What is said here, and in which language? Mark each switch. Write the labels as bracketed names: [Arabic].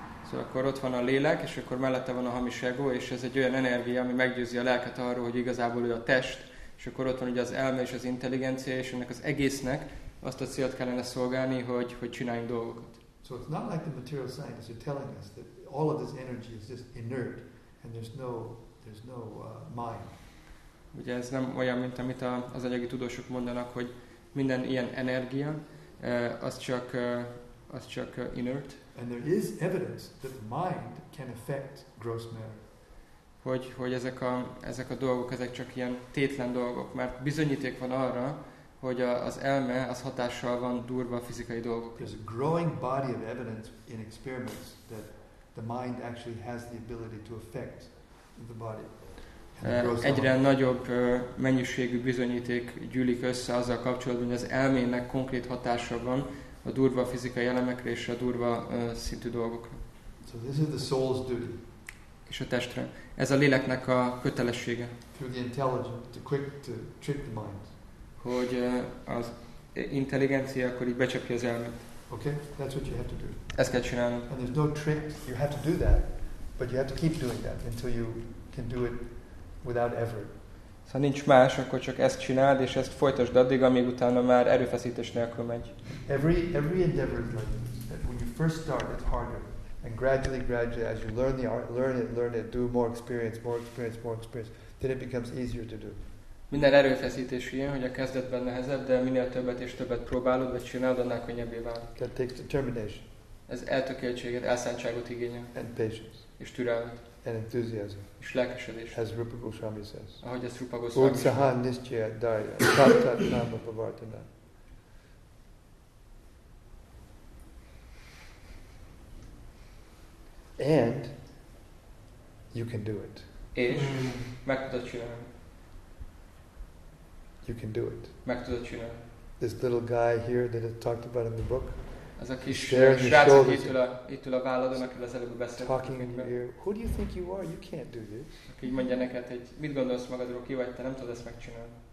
[Hungarian] So akkor ott van a lélek, és akkor mellette van a hamis ego, és ez egy olyan energia, ami meggyőzi a lelket arról, hogy igazából ő a test, és akkor ott van ugye az elme és az intelligencia, és ennek az egésznek azt a célt kellene szolgálni, hogy csináljunk dolgokat. [English] So it's not like the material scientists are telling us that all of this energy is just inert and there's no mind. [Hungarian] Ugye ez nem olyan, mint amit az anyagi tudósok mondanak, hogy minden ilyen energia az csak inert. [English] And there is evidence that the mind can affect gross matter. [Hungarian] Hogy ezek a dolgok, ezek csak ilyen tétlen dolgok, mert bizonyíték van arra, hogy az elme az hatással van durva a fizikai dolgok. [English] There's a growing body of evidence in experiments that the mind actually has the ability to affect the body. [Hungarian] Egyre nagyobb mennyiségű bizonyíték gyűlik össze azzal kapcsolatban, hogy az elmének konkrét hatása van a durva fizikai elemekre és a durva szintű dolgokra. [English] So this is the soul's duty. [Hungarian] És a testre. Ez a léleknek a kötelessége. [English] Through the intelligence, to quick to trick the mind. [Hungarian] Hogy az intelligencia akkor így becsapja az elmét. [English] Okay, that's what you have to do. [Hungarian] Ezt kell csinálni. [English] And there's no trick. You have to do that, but you have to keep doing that until you can do it without effort. [Hungarian] Szóval nincs más, akkor csak ezt csináld, és ezt folytasd addig, amíg utána már erőfeszítés nélkül megy. [English] Every endeavor is like that. When you first start, it's harder. And gradually, as you learn the art, learn it, do more experience, then it becomes easier to do. [Hungarian] Minden erőfeszítés ilyen, hogy a kezdetben nehezebb, de minél többet és többet próbálod, vagy csináld, annál könnyebbé válik. [English] That takes determination. [Hungarian] Ez eltökéltséget, elszántságot igényel. [English] And patience. [Hungarian] És türelmet. [English] And enthusiasm. [Hungarian] És lelkesedés. [English] As Rupa Goswami says. [Hungarian] Ahogy ezt Rupa Goswami mondja. [Sanskrit] Utsaha nischaya daya. Tattat nama pavartana. [English] And you can do it. [Hungarian] És meg tudod csinálni. [English] You can do it. [Hungarian] Meg tudod csinálni. [English] This little guy here that I talked about in the book. [Hungarian] Az a kis srác, itt ül a válladon, akivel az előbb beszéltünk. [English] Who do you think you are? You can't do this. [Hungarian] Aki így mondja neked, hogy mit gondolsz magadról, ki vagy, te nem tudod ezt megcsinálni.